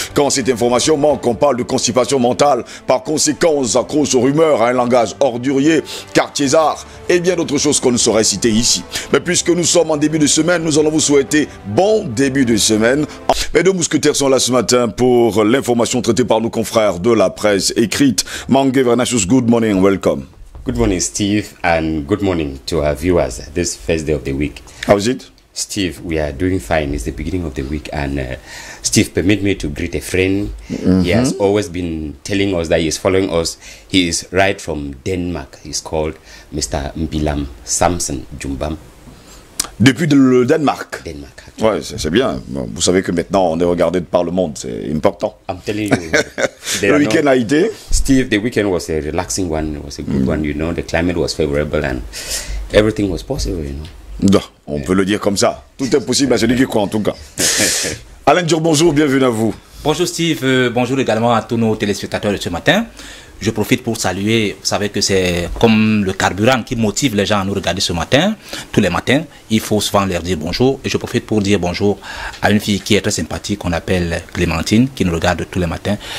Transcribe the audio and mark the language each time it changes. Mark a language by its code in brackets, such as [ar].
[fr] Quand cette information manque, on parle de constipation mentale. Par conséquent, on s'accroche aux rumeurs, à un langage ordurier, cartésard et bien d'autres choses qu'on ne saurait citer ici. Mais puisque nous sommes en début de semaine, nous allons vous souhaiter bon début de semaine. Mes deux mousquetaires sont là ce matin pour l'information traitée par nos confrères de la presse écrite. [en] Mangue Vernacious, good morning and welcome. Good morning Steve and good morning to our viewers this first day of the week. How is it? Steve, we are doing fine. It's the beginning of the week and Steve, permit me to greet a friend. He has always been telling us that he is following us. He is right from Denmark. He's called Mr. Mbilam Samson Jumbam. [fr] Depuis le Danemark. [en] Denmark. [fr] Oui, c'est bien. Vous savez que maintenant, on est regardé par le monde. C'est important. [en] I'm telling you. [fr] Le week-end a été. [en] Steve, the weekend was a relaxing one. It was a good one, you know. The climate was favorable and everything was possible, you know. [fr] Non, on peut le dire comme ça. Tout est possible à celui qui croit, en tout cas. Alain Dur, bonjour, bienvenue à vous. Bonjour Steve, bonjour également à tous nos téléspectateurs de ce matin. Je profite pour saluer, vous savez que c'est comme le carburant qui motive les gens à nous regarder ce matin, tous les matins. Il faut souvent leur dire bonjour et je profite pour dire bonjour à une fille qui est très sympathique, qu'on appelle Clémentine, qui nous regarde tous les matins.